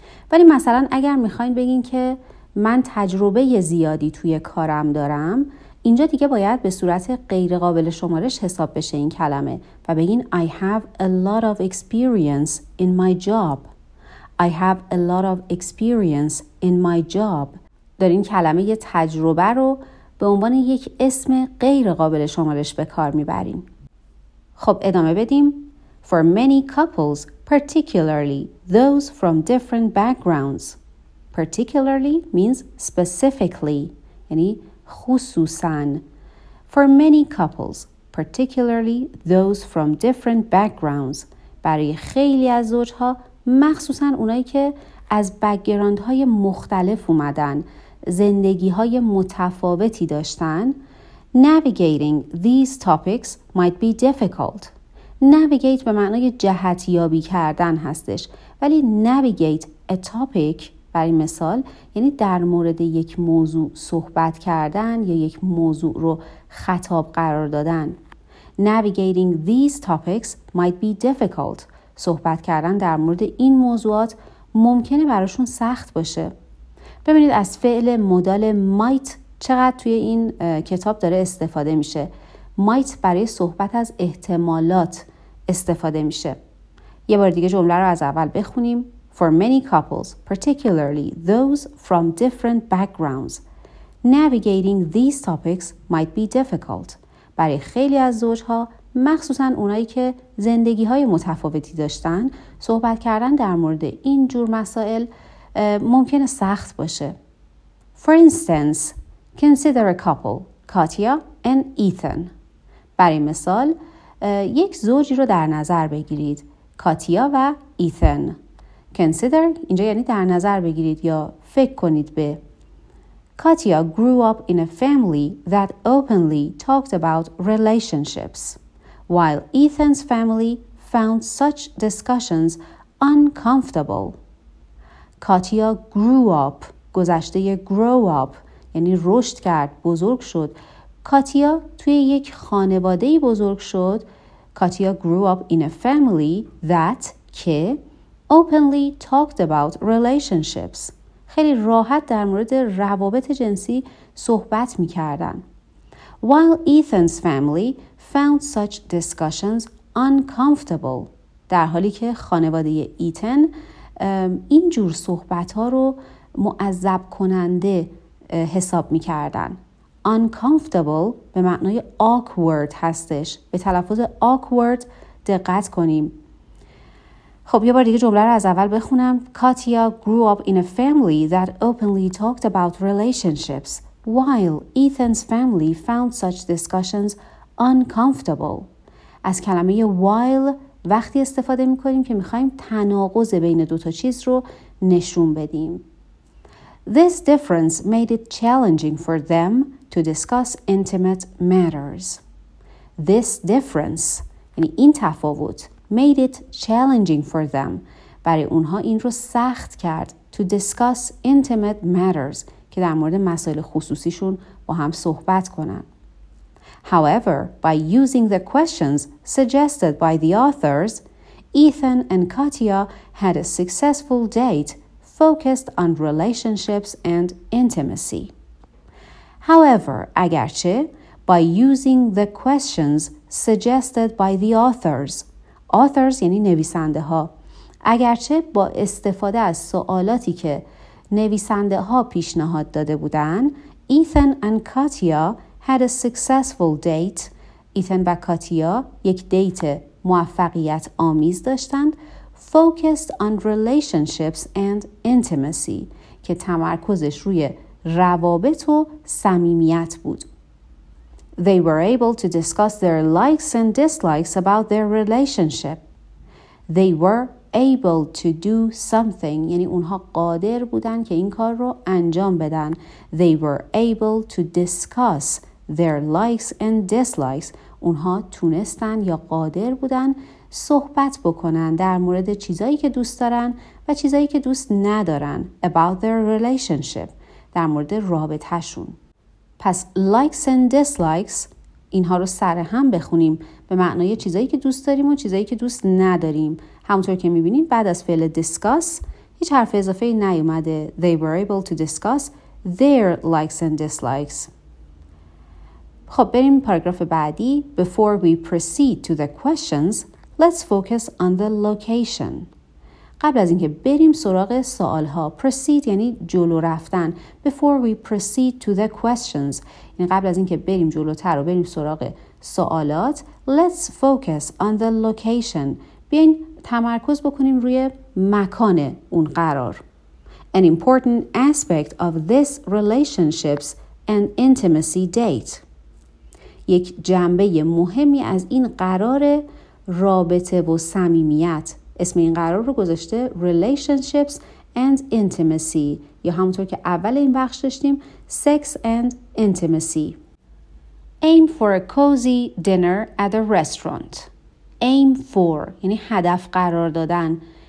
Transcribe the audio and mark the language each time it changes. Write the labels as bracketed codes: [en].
[fa] ولی مثلا اگر میخواین بگین که من تجربه زیادی توی کارم دارم، اینجا دیگه باید به صورت غیر قابل شمارش حساب بشه این کلمه و بگین [en] I have a lot of experience in my job. I have a lot of experience in my job. [fa] در این کلمه یه تجربه رو به عنوان یک اسم غیر قابل شمارش به کار میبریم. خب ادامه بدیم. [en] For many couples, particularly those from different backgrounds. Particularly means specifically. [fa] یعنی خصوصاً. [en] For many couples, particularly those from different backgrounds. [fa] برای خیلی از زوجها، مخصوصاً اونایی که از بک‌گراندهای مختلف اومدن، زندگی‌های متفاوتی داشتن، [en] navigating these topics might be difficult. [fa] Navigate به معنای جهتیابی کردن هستش. ولی [en] navigate a topic، [fa] برای مثال یعنی در مورد یک موضوع صحبت کردن یا یک موضوع رو خطاب قرار دادن. [en] Navigating these topics might be difficult. [fa] صحبت کردن در مورد این موضوعات ممکنه براشون سخت باشه. ببینید از فعل مدال might چقدر توی این کتاب داره استفاده میشه. Might برای صحبت از احتمالات استفاده میشه. یا یه بار دیگه جمله رو از اول بخونیم. [en] For many couples, particularly those from different backgrounds, navigating these topics might be difficult. [fa] برای خیلی از زوجها، مخصوصاً اونایی که زندگی‌های متفاوتی داشتن، صحبت کردن در مورد این جور مسائل ممکنه سخت باشه. [en] For instance, consider a couple, Katya and Ethan. [fa] برای مثال، یک زوجی رو در نظر بگیرید، کاتیا و ایتن. Consider اینجا یعنی در نظر بگیرید یا فکر کنید به. [en] Katya grew up in a family that openly talked about relationships, while Ethan's family found such discussions uncomfortable. [fa] کاتیا grew up، گذشته ی grow up یعنی رشد کرد، بزرگ شد. کاتیا توی یک خانواده بزرگ شد. کاتیا [en] grew up in a family that [fa] که [en] openly talked about relationships، [fa] خیلی راحت در مورد روابط جنسی صحبت می کردن. [en] While Ethan's family found such discussions uncomfortable، [fa] در حالی که خانواده ایتن این جور صحبت ها رو معذب کننده حساب می کردن. Uncomfortable به معنای awkward هستش. به تلفظ awkward دقت کنیم. خب یه بار دیگه جمله رو از اول بخونم. [en] Katya grew up in a family that openly talked about relationships, while Ethan's family found such discussions uncomfortable. [fa] از کلمه while وقتی استفاده میکنیم که میخواییم تناقض بین دوتا چیز رو نشون بدیم. [en] This difference made it challenging for them to discuss intimate matters. This difference, [fa] یعنی این تفاوت، [en] made it challenging for them. [fa] برای اونها این رو سخت کرد [en] to discuss intimate matters، [fa] که در مورد مسائل خصوصیشون با هم صحبت کنن. [en] However, by using the questions suggested by the authors, Ethan and Katya had a successful date focused on relationships and intimacy. However, [fa] اگرچه [en] by using the questions suggested by the authors. [fa] Authors یعنی نویسنده ها. اگرچه با استفاده از سوالاتی که نویسنده ها پیشنهاد داده بودن، [en] Ethan and Katya had a successful date. [fa] Ethan و کاتیا یک دیت موفقیت آمیز داشتند. [en] Focused on relationships and intimacy، [fa] که تمرکزش روی روابط و صمیمیت بود. [en] They were able to discuss their likes and dislikes about their relationship. They were able to do something، [fa] یعنی اونها قادر بودن که این کار رو انجام بدن. [en] They were able to discuss their likes and dislikes، [fa] اونها تونستن یا قادر بودن صحبت بکنن در مورد چیزایی که دوست دارن و چیزایی که دوست ندارن. [en] About their relationship، [fa] در مورد رابطهشون. پس likes and dislikes، اینها رو سر هم بخونیم، به معنای چیزایی که دوست داریم و چیزایی که دوست نداریم. همونطور که میبینید بعد از فعل discuss هیچ حرف اضافه نیومده. [en] They were able to discuss their likes and dislikes. [fa] خب بریم پاراگراف بعدی. [en] Before we proceed to the questions، let's focus on the location. [fa] قبل از اینکه بریم سراغ سوال‌ها، proceed یعنی جلو رفتن. [en] Before we proceed to the questions، [fa] یعنی قبل از اینکه بریم جلوتر و بریم سراغ سوالات، [en] let's focus on the location. [fa] بیاین تمرکز بکنیم روی مکان اون قرار. [en] An important aspect of this relationships and intimacy date. [fa] یک جنبه مهمی از این قرار رابطه و صمیمیت، اسم این قرار رو گذاشته [en] relationships and intimacy، [fa] یا همونطور که اول این بخش داشتیم [en] sex and intimacy. Aim for a cozy dinner at a restaurant. Aim for [fa] یعنی هدف قرار دادن.